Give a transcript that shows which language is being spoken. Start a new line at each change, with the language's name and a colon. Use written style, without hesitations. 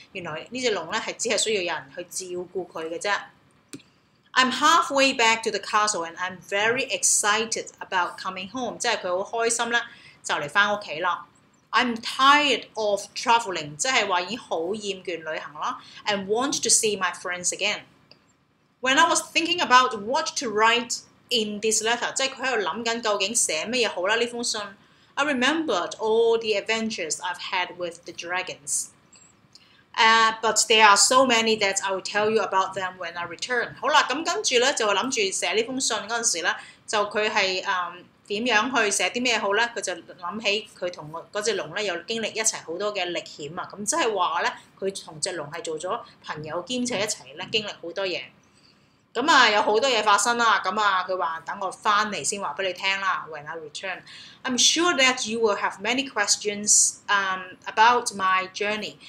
Cantonese: 原來呢只龍咧係只係需要有人去照顧佢嘅啫。
English: I'm halfway back to the castle and I'm very excited about coming home。
Cantonese: 即係佢好開心咧，就嚟翻屋企啦。
English: I'm tired of travelling，
Cantonese: 即係話已經好厭倦旅行啦。
English: And want to see my friends again。 When I was thinking about what to write。 In this letter，
Cantonese: 即係佢喺度諗緊究竟寫乜嘢好啦呢封信。
English: I remembered all the adventures I've had with the dragons， but there are so many that I will tell you about them when I return。
Cantonese: 好啦，咁跟住咧就諗住寫呢封信嗰陣時咧，就佢係點樣去寫啲咩好咧？佢就諗起佢同嗰只龍咧有經歷一齊好多嘅歷險啊。咁即係話咧，佢同只龍係做咗朋友兼且一齊咧經歷好多嘢。咁啊，有好多嘢發生啦。咁啊，佢話等我翻嚟先話俾你聽啦。
English: When I return, I'm sure that you will have many questions about my journey。